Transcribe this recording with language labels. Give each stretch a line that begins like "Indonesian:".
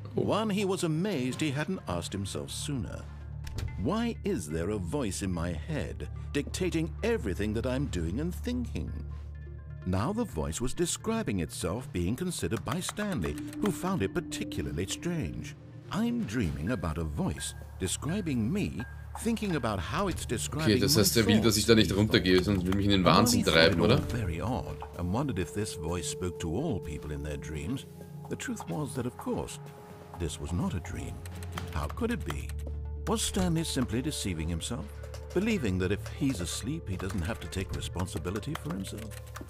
English: One he was amazed he hadn't asked himself sooner. Why is there a voice in my head dictating everything that I'm doing and thinking? Now the voice was describing itself being considered by Stanley, who found it particularly strange. I'm dreaming about a voice describing me, thinking about how it's describing
German: Okay, das heißt, er will, dass ich da nicht runtergehe, sonst will mich in den Wahnsinn treiben, oder?
English: Very odd, and wondered if this voice spoke to all people in their dreams. The truth was that, of course, this was not a dream. How could it be? Was Stanley simply deceiving himself? Believing that if he's asleep, he doesn't have to take responsibility for himself?